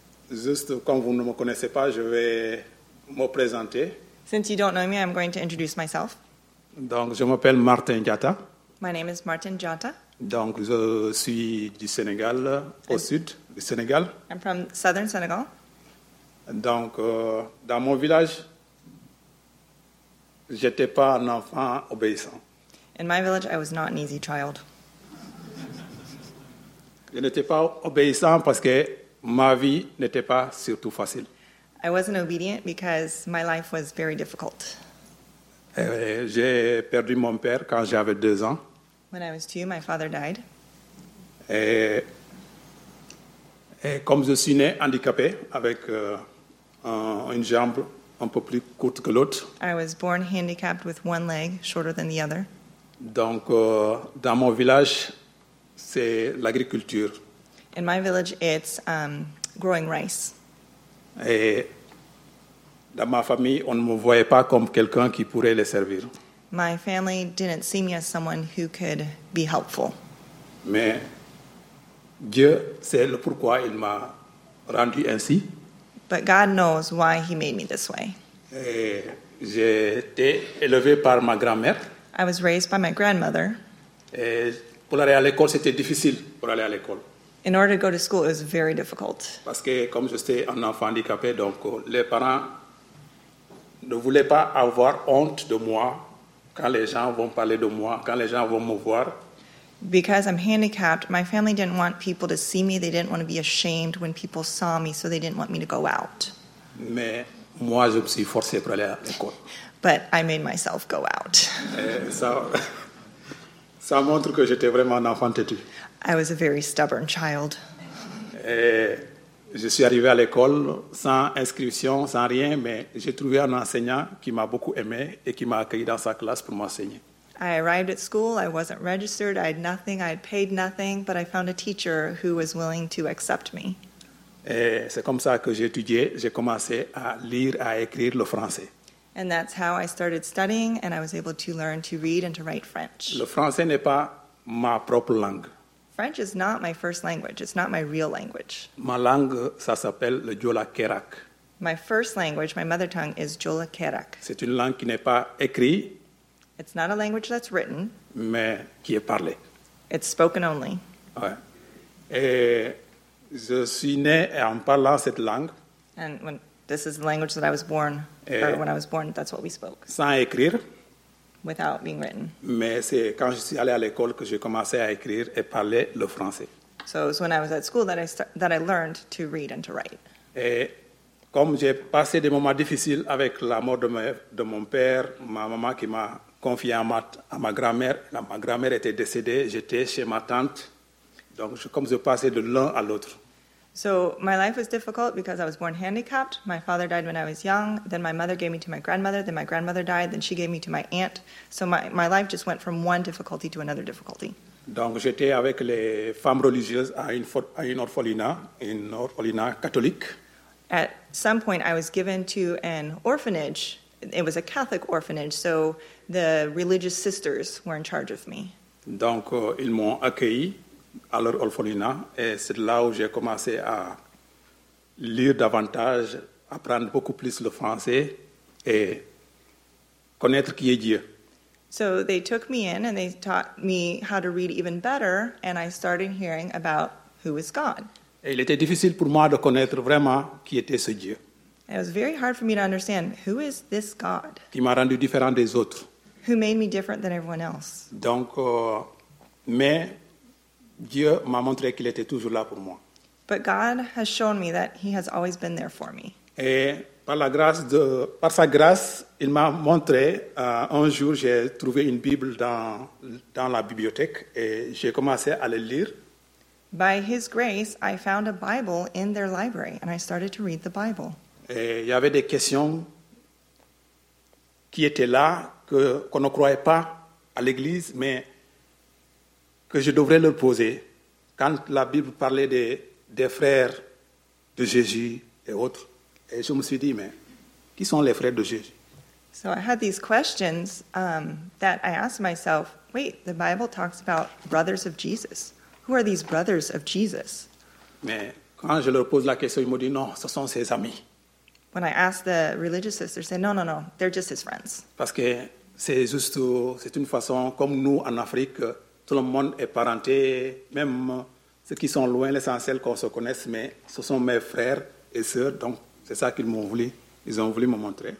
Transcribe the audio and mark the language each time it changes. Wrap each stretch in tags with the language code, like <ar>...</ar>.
<fr>Juste quand vous ne me connaissez pas, je vais me présenter.</fr> <en>Since you don't know me, I'm going to introduce myself.</en> <fr>Donc, je m'appelle Martin Diatta.</fr> <en>My name is Martin Diatta.</en> <fr>Donc, je suis du Sénégal, au sud du Sénégal.</fr> <en>I'm from southern Senegal.</en> <fr>Donc, dans mon village, j'étais pas un enfant obéissant.</fr> <en>In my village, I was not an easy child.</en> <fr>Je n'étais pas obéissant parce que ma vie n'était pas surtout facile.</fr> <en>I wasn't obedient because my life was very difficult.</en> <fr>J'ai perdu mon père quand j'avais 2 ans.</fr> <en>When I was 2, my father died.</en> <fr>Et comme je suis né handicapé avec une jambe un peu plus courte que l'autre.</fr> <en>I was born handicapped with one leg shorter than the other.</en> <fr>Donc dans mon village, c'est l'agriculture.</fr> <en>In my village, it's growing rice.</en> <fr>Et dans ma famille, on ne me voyait pas comme quelqu'un qui pourrait les servir.</fr> <en>My family didn't see me as someone who could be helpful.</en> <fr>Mais Dieu sait le pourquoi il m'a rendu ainsi.</fr> <en>But God knows why he made me this way.</en> <fr>Et j'ai été élevé par ma grand-mère.</fr> <en>I was raised by my grandmother.</en> <fr>Et Pour aller à l'école, c'était difficile pour aller à l'école.</fr> <en>In order to go to school, it was very difficult.</en> <fr>Parce que comme j'étais un enfant handicapé, donc les parents ne voulaient pas avoir honte de moi quand les gens vont parler de moi, quand les gens vont me voir.</fr> <en>Because I'm handicapped, my family didn't want people to see me. They didn't want to be ashamed when people saw me, so they didn't want me to go out.</en> <fr>Mais moi, je me suis forcé pour aller à l'école.</fr> <en>But I made myself go out.</en> <fr>Ça montre que j'étais vraiment un enfant têtu.</fr> <en>I was a very stubborn child.</en> <fr>Et je suis arrivé à l'école sans inscription, sans rien, mais j'ai trouvé un enseignant qui m'a beaucoup aimé et qui m'a accueilli dans sa classe pour m'enseigner.</fr> <en>I arrived at school, I wasn't registered, I had nothing, I had paid nothing, but I found a teacher who was willing to accept me.</en> <fr>Et c'est comme ça que j'ai étudié, j'ai commencé à lire, à écrire le français.</fr> <en>And that's how I started studying, and I was able to learn to read and to write French.</en> <fr>Le français n'est pas ma propre langue.</fr> <en>French is not my first language. It's not my real language.</en> <fr>Ma langue, ça s'appelle le Djola Kerak.</fr> <en>My first language, my mother tongue, is Djola Kerak.</en> <fr>C'est une langue qui n'est pas écrite.</fr> <en>It's not a language that's written.</en> <fr>Mais qui est parlée.</fr> <en>It's spoken only.</en> <fr>Ouais. Et je suis né en parlant cette langue.</fr> <en>And when this is the language that I was born, when I was born, that's what we spoke.</en> <fr>Sans écrire.</fr> <en>Without being written.</en> <fr>Mais c'est quand je suis allé à l'école que j'ai commencé à écrire et parler le français.</fr> <en>So it was when I was at school that I learned to read and to write.</en> <fr>Et comme j'ai passé des moments difficiles avec la mort de mon père, ma maman qui m'a confié à ma grand-mère, ma grand-mère était décédée, j'étais chez ma tante. Donc comme je passais de l'un à l'autre.</fr> <en>So my life was difficult because I was born handicapped. My father died when I was young. Then my mother gave me to my grandmother. Then my grandmother died. Then she gave me to my aunt. So my life just went from one difficulty to another difficulty.</en> <fr>Donc j'étais avec les femmes religieuses à une orphelinat catholique.</fr> <en>At some point, I was given to an orphanage. It was a Catholic orphanage, so the religious sisters were in charge of me.</en> <fr>Donc ils m'ont accueilli. À leur orphelinat, et c'est là où j'ai commencé à lire davantage, apprendre beaucoup plus le français et connaître qui est Dieu.</fr> <en>So they took me in and they taught me how to read even better, and I started hearing about who is God.</en> <fr>Et il était difficile pour moi de connaître vraiment qui était ce Dieu.</fr> <en>It was very hard for me to understand who is this God.</en> <fr>Qui m'a rendu différent des autres.</fr> <en>Who made me different than everyone else.</en> <fr>Donc, mais Dieu m'a montré qu'il était toujours là pour moi.</fr> <en>But God has shown me that he has always been there for me.</en> <fr>Et par sa grâce, il m'a montré, un jour j'ai trouvé une Bible dans la bibliothèque et j'ai commencé à le lire.</fr> <en>By his grace, I found a Bible in their library and I started to read the Bible.</en> <fr>Et il y avait des questions qui étaient là qu'on ne croyait pas à l'église, mais que je devrais leur poser quand la Bible parlait des frères de Jésus et autres. Et je me suis dit, mais qui sont les frères de Jésus?</fr> <en>So I had these questions that I asked myself, wait, the Bible talks about brothers of Jesus. Who are these brothers of Jesus?</en> <fr>Mais quand je leur pose la question, ils m'ont dit, non, ce sont ses amis.</fr> <en>When I asked the religious sisters, they said, no, no, no, they're just his friends.</en> <fr>Parce que c'est juste, c'est une façon, comme nous en Afrique, tout le monde est parenté, même ceux qui sont loin, l'essentiel qu'on se connaisse, mais ce sont mes frères et sœurs, donc c'est ça qu'ils m'ont voulu, ils ont voulu me montrer.</fr>